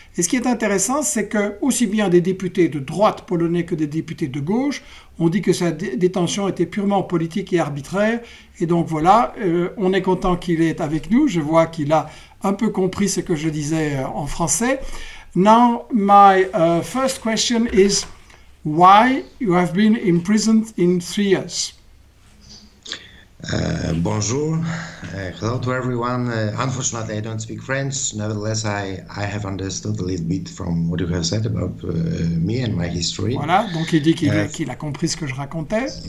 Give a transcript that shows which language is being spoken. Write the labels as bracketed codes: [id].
[fr] Et ce qui est intéressant, c'est que aussi bien des députés de droite polonais que des députés de gauche ont dit que sa détention était purement politique et arbitraire. Et donc voilà, on est content qu'il est avec nous. Je vois qu'il a un peu compris ce que je disais en français. [en] Now, my first question is why you have been imprisoned in 3 years? [fr] Bonjour. [en] Hello to everyone. Unfortunately, I don't speak French. Nevertheless, I have understood a little bit from what you have said about me and my history. [fr] Voilà, donc il dit qu'il a compris ce que je racontais.